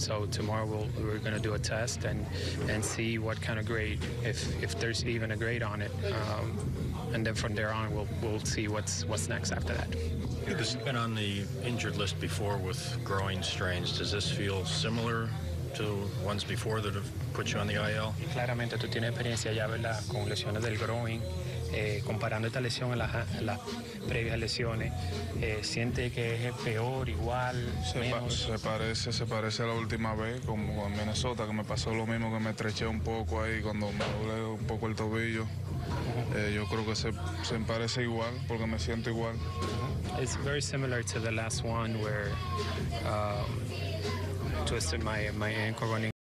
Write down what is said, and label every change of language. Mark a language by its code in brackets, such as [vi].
[en] So tomorrow we're gonna do a test and see what kind of grade, if there's even a grade on it. And then from there on, we'll see what's next after that. You've been on the injured list before with groin strains. Does this feel similar to ones before that have put you on the IL? [es] Claramente, tú tienes experiencia ya, verdad, con lesiones del groin. Comparando esta lesión a las previas lesiones, ¿siente que es peor, igual, menos? Se parece a la última vez, como en Minnesota, que me pasó lo mismo, que me estreché un poco ahí cuando me doblé un poco el tobillo. Yo creo que se parece igual, porque me siento igual. [en] It's very similar to the last one where twisted my ankle running.